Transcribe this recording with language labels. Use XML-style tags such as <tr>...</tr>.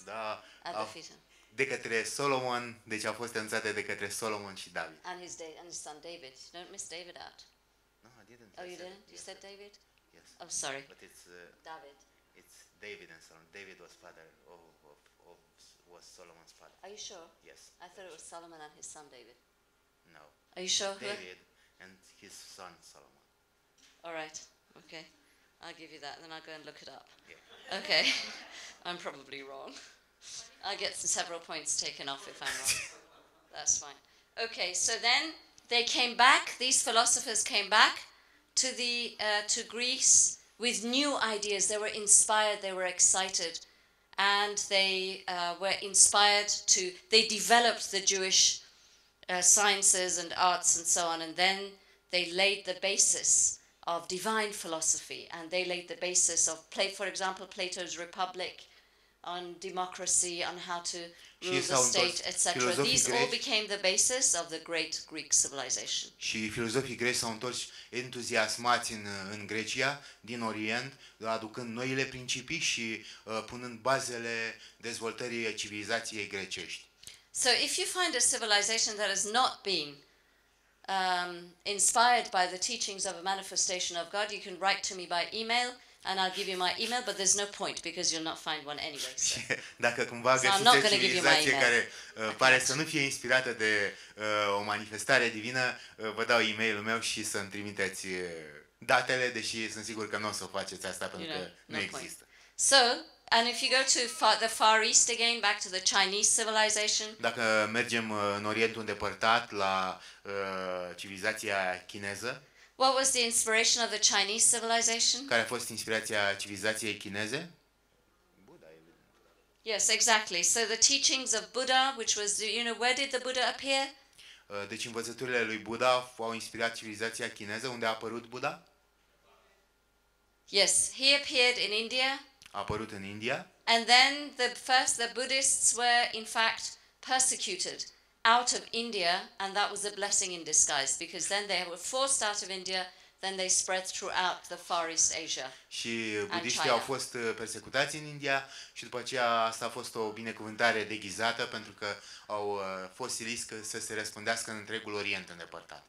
<ro>Da, de către Solomon, deci a fost înțate de către Solomon și David.</ro> <en>And his son David. You don't miss David out. No, I didn't. Oh, you didn't? You said David? Yes. Oh, sorry. But it's David. It's David and Solomon. David was father of was Solomon's father. Are you sure? Yes. I thought it was Solomon and his son David. No. Are you sure? David and his son Solomon. All right. Okay. I'll give you that, then I'll go and look it up. Yeah. Okay. I'm probably wrong. I get several points taken off if I'm wrong. That's fine. Okay, so then they came back, these philosophers came back to the to Greece with new ideas. They were inspired, they were excited, and they were inspired to, they developed the Jewish sciences and arts and so on, and then they laid the basis of divine philosophy, and they laid the basis of, for example, Plato's Republic, on democracy, on how to rule the state, etc. These all became the basis of the great Greek civilization.</en> <ro>Și filozofii greci s-au întors entuziasmați în Grecia, din Orient, aducând noile principii și punând bazele dezvoltării civilizației grecești.</ro> <en>So if you find a civilization that has not been inspired by the teachings of a manifestation of God, you can write to me by email. And I'll give you my email, but there's no point because you'll not find one anyway. So.</en> <ro>Dacă cumva găsiți o civilizație care pare să nu fie inspirată de o manifestare divină, vă dau e-mailul meu și să-mi trimiteți datele, deși sunt sigur că nu o să o faceți asta pentru că nu există.</ro> <en>So, and if you go to the Far East again, back to the Chinese civilization.</en> <ro>Dacă mergem în Orientul îndepărtat la civilizația chineză.</ro> <en>What was the inspiration of the Chinese civilization?</en> <ro>Care a fost inspirația civilizației chineze?</ro> <en>Buddha. Yes, exactly. So the teachings of Buddha, which was, you know, where did the Buddha appear?</en> <ro>Deci învățăturile lui Buddha au inspirat civilizația chineză. Unde a apărut Buddha?</ro> <en>Yes, he appeared in India.</en> <ro>A apărut în India.</ro> <en>And then the Buddhists were in fact persecuted out of India, and that was a blessing in disguise, because then they were forced out of India, then they spread throughout the Far East Asia.</en> <ro>Și budiștii au fost persecutați în India și după aceea asta a fost o binecuvântare deghizată, pentru că au fost siliți să se răspândească în întregul Orient îndepărtat.</ro>